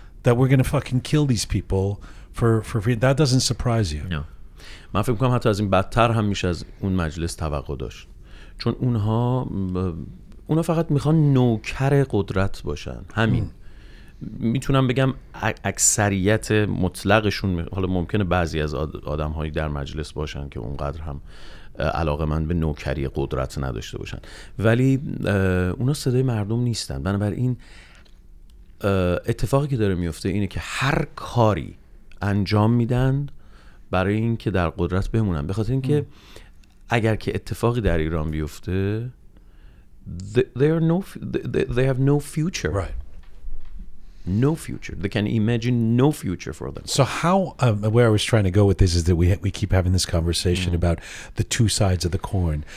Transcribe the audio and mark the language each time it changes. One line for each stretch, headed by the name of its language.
English: That we're going to fucking kill these people for free. That doesn't surprise you. No.
Persian: من فکر می‌کنم حتی از این بدتر هم میشه از اون مجلس توقع داشت. چون اونها فقط میخوان نوکر قدرت باشن. همین. میتونم بگم اکثریت مطلقشون، حالا ممکنه بعضی از آدم‌های در مجلس باشن که اونقدر هم علاقه من به نوکری قدرت نداشته باشن. ولی اونا صدای مردم نیستن. بنابراین اتفاقی که داره میفته اینه که هر کاری انجام میدن برای اینکه در قدرت بمونن، بخاطر اینکه اگر که اتفاقی در ایران بیفته
English: they have no future. Right. No future. They can imagine no future for them. So how where I was trying to go with this is that we keep having this conversation about the two sides of the coin.